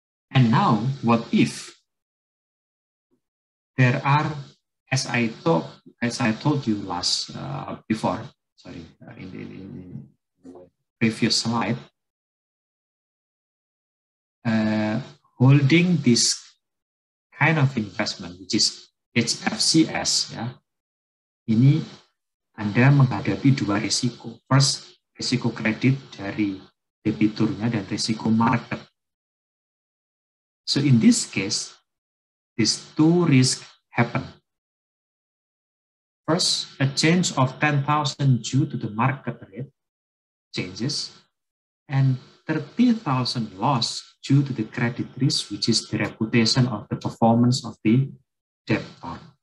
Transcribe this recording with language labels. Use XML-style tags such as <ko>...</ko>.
<en>And now, what if there are, as I told you in the previous slide, holding this kind of investment, which is HFCS, yeah,</en> <id>ini Anda menghadapi dua risiko. First, risiko kredit dari debiturnya dan risiko market.</id> <en>So in this case, these two risks happen. First, a change of 10,000 due to the market rate changes and 30,000 loss due to the credit risk, which is the reputation of the performance of the debtor.</en>